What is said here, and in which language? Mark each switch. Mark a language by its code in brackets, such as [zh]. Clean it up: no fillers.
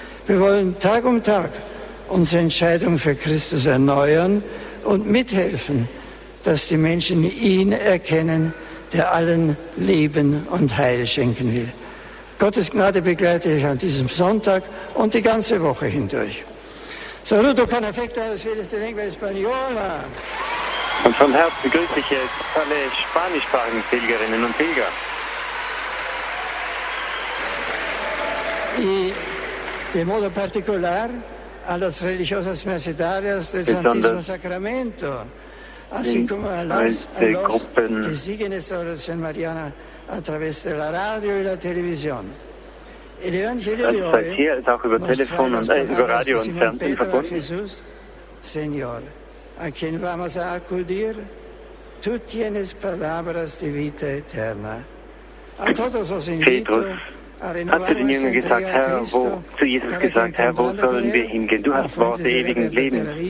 [de] Wir wollen Tag um Tag unsere Entscheidung für Christus erneuern und mithelfen, dass die Menschen ihn erkennen, der allen Leben und Heil schenken will. Gottes Gnade begleite ich an diesem Sonntag und die ganze Woche hindurch. [it] Saluto con affetto alle sfide di lingua spagnola. [de] Und von Herzen begrüße ich jetzt alle spanischsprachigen Pilgerinnen und Pilger. [es] Y de modo particular a las religiosas mercedarias del Santísimo Sacramento, así como a las [de] Gruppen, [es] que siguen esta oración mariana a través de la radio y la televisión. [de] Das heißt, hier ist auch über Telefon und über Radio und Fernsehen verbunden. [es] A quien vamos a acudir, tú tienes palabras de vida eterna. A todos los [de] Petrus hat zu den Jüngern gesagt, Herr, wo, zu Jesus gesagt, Herr, wo sollen wir hingehen? Du hast Worte ewigen Lebens.